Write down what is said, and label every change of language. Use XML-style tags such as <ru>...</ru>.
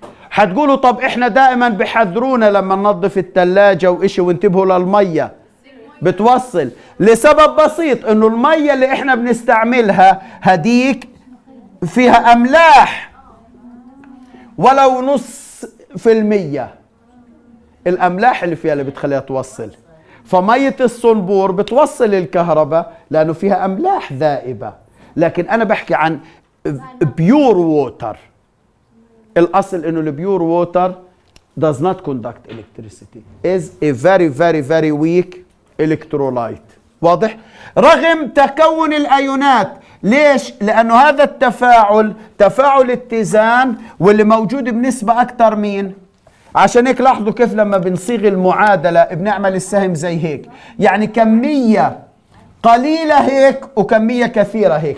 <ar>هتقولوا طب إحنا دائما بحذرونا لما ننظف التلاجة وإشي وانتبهوا للمية بتوصل، لسبب بسيط إنه المية اللي إحنا بنستعملها هديك فيها أملاح ولو 0.5%، الأملاح اللي فيها اللي بتخليها توصل، فمية الصنبور بتوصل الكهرباء لأنه فيها أملاح ذائبة، لكن أنا بحكي عن بيور ووتر. الأصل إنه البيور ووتر</ar> <en>does not conduct electricity, is a very very very weak electrolyte.</en> <ar>واضح؟ رغم تكون الأيونات. ليش؟ لأنه هذا التفاعل تفاعل اتزان، واللي موجود بنسبة أكتر مين؟ عشان هيك لاحظوا كيف لما بنصيغ المعادلة بنعمل السهم زي هيك، يعني كمية قليلة هيك وكمية كثيرة هيك.</ar>